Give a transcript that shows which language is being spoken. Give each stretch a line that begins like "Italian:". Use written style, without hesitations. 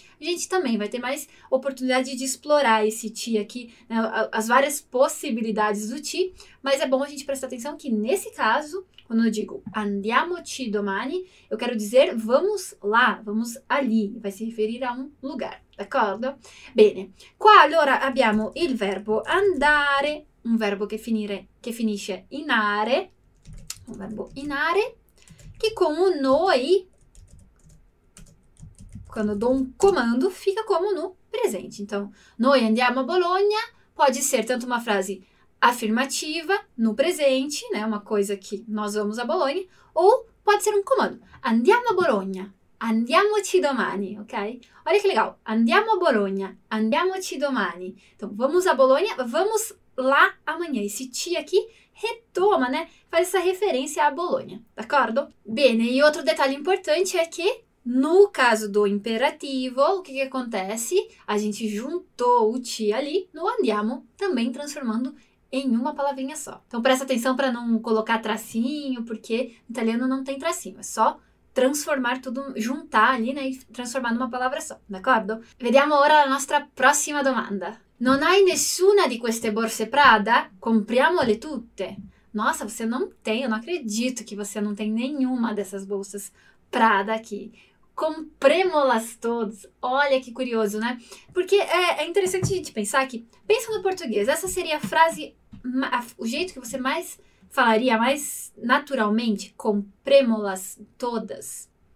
Portuguese: A gente também vai ter mais oportunidade de explorar esse ti aqui, né, as várias possibilidades do ti, mas é bom a gente prestar atenção que nesse caso, quando eu digo
Italian: andiamoci domani,
Portuguese: eu quero dizer vamos lá, vamos ali, vai se referir a um lugar,
Italian: d'accordo? Bene, qua allora abbiamo il verbo andare, un verbo che finisce in are, un verbo in are, che con noi,
Portuguese: quando dou um comando, fica como no presente. Então, noi andiamo a Bologna pode ser tanto uma frase afirmativa, no presente, né, uma coisa que nós vamos a Bologna, ou pode ser um comando.
Italian: Andiamo a Bologna, andiamoci domani, ok?
Portuguese: Olha que legal, andiamo a Bologna, andiamoci domani. Então, vamos a Bologna, vamos lá amanhã. Esse ti aqui retoma, né, faz essa referência a Bologna,
Italian: d'accordo?
Portuguese: Bene, e outro detalhe importante é que no caso do imperativo, o que que acontece? A gente juntou o ti ali no andiamo, também transformando em uma palavrinha só. Então presta atenção para não colocar tracinho, porque no italiano não tem tracinho, é só transformar tudo, juntar ali, né, e transformar numa palavra só,
Italian: d'accordo? Vediamo ora la nostra prossima domanda. Non hai nessuna di queste borse Prada? Compriamole tutte.
Portuguese: Nossa, você não tem, eu não acredito que você não tem nenhuma dessas bolsas Prada aqui. Compremo-las todas. Olha que curioso, né? Porque é interessante a gente pensar que, pensa no português, essa seria a frase, o jeito que você mais falaria, mais naturalmente, compremo-las todas.